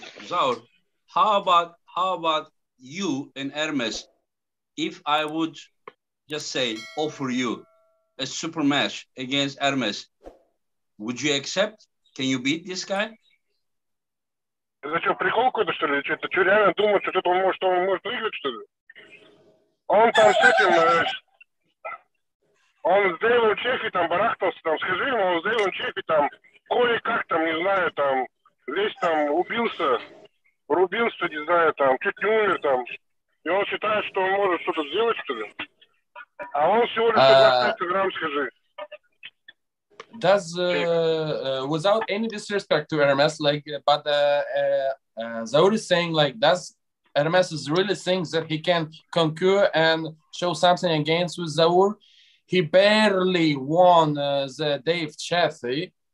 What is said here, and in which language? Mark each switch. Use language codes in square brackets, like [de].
[en] Zaur, how about you and Ermes, if I would just say offer you a super match against Ermes, would you accept? Can you beat this guy? [ru] Зачем прикол какой-то, что ли? Что-то, что реально думать, что тут он может выиграть, что ли? Он там с этим, он с Дэйвом Чеффи там барахтался, там, скажи ему, он с Дэйвом Чеффи там кое-как там, не знаю, там, весь там рубился, не знаю, там, чуть не умер там. И он считает, что он может что-то сделать, что ли? А он всего лишь 50 грамм, скажи. [en] Does without any disrespect to Hermes, like, but Zaur is saying, like, does Hermes really think that he can conquer and show something against with Zaur? He barely won the Dave Chaffee.